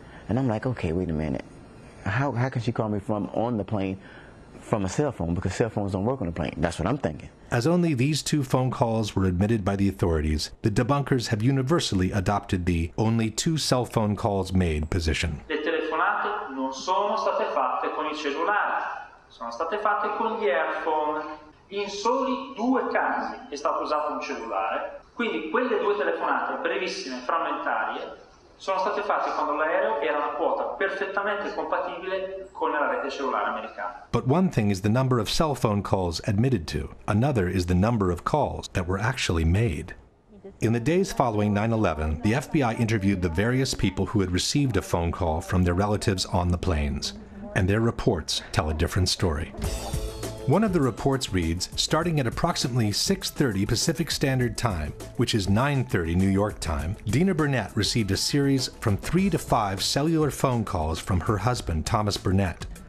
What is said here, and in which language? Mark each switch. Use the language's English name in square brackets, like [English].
[English] And I'm like, okay, wait a minute. How can she call me from on the plane from a cell phone? Because cell phones don't work on a plane. That's what I'm thinking. As only these two phone calls were admitted by the authorities, the debunkers have universally adopted the only two cell phone calls made position. [Italian] Le telefonate non sono state fatte con il cellulare, sono state fatte con gli airphone. In soli due casi è stato usato un cellulare. Quindi quelle due telefonate brevissime, frammentarie, sono state fatte quando l'aereo era una quota perfettamente compatibile con la rete cellulare americana. [English] But one thing is the number of cell phone calls admitted to. Another is the number of calls that were actually made. In the days following 9/11, the FBI interviewed the various people who had received a phone call from their relatives on the planes. And their reports tell a different story. One of the reports reads, starting at approximately 6:30 Pacific Standard Time, which is 9:30 New York time, Dina Burnett received a series from 3 to 5 cellular phone calls from her husband, Thomas Burnett.